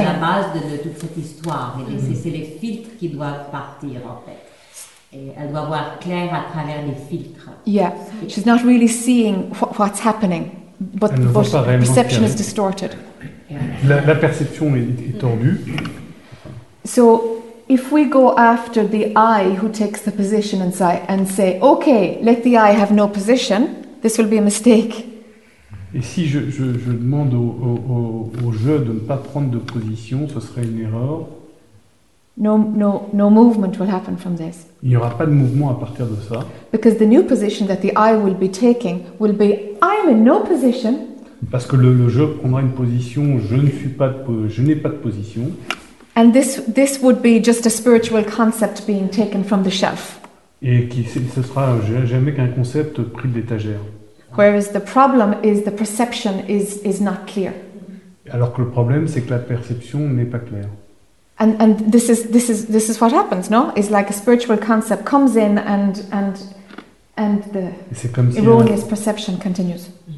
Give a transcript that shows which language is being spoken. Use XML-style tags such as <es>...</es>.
<fr>Qui sont à la base de toute cette histoire. Et c'est les filtres qui doivent partir, en fait. Et elle doit voir clair à travers les filtres.</fr> <en>Yeah, she's not really seeing what's happening, but the perception is distorted.</en> <fr>La perception est tordue.</fr> <en>So, if we go after the eye who takes the position and say, okay, let the eye have no position, this will be a mistake.</en> <fr>Et si je demande au jeu de ne pas prendre de position, ce serait une erreur.</fr> <en>No movement will happen from this.</en> <fr>Il n'y aura pas de mouvement à partir de ça.</fr> <en>Because the new position that the eye will be taking will be I'm in no position.</en> <fr>Parce que le jeu prendra une position, je n'ai pas de position.</fr> <en>And this would be just a spiritual concept being taken from the shelf.</en> <fr>Et qui ce sera jamais qu'un concept pris de l'étagère.</fr> <en>Whereas the problem is the perception is not clear.</en> <fr>Alors que le problème c'est que la perception n'est pas claire.</fr> <en>And this is what happens, no? It's like a spiritual concept comes in and the erroneous perception continues.</en>